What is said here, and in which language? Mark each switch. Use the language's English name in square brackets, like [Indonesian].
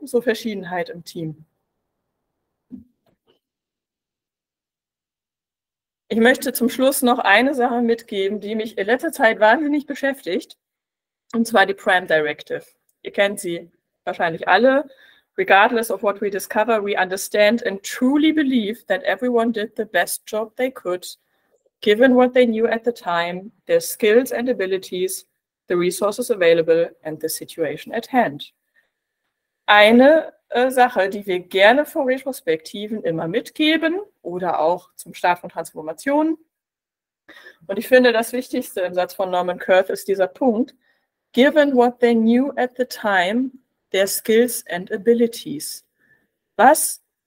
[German] So Verschiedenheit im Team. Ich möchte zum Schluss noch eine Sache mitgeben, die mich in letzter Zeit wahnsinnig beschäftigt. Und zwar die Prime Directive. Ihr kennt sie wahrscheinlich alle. [English] Regardless of what we discover, we understand and truly believe that everyone did the best job they could, given what they knew at the time, their skills and abilities, the resources available and the situation at hand. [German] Eine Sache, die wir gerne vor Retrospektiven immer mitgeben oder auch zum Start von Transformationen. Und ich finde, das Wichtigste im Satz von Norman Kurth ist dieser Punkt, [English] given what they knew at the time, their skills and abilities. [German] Was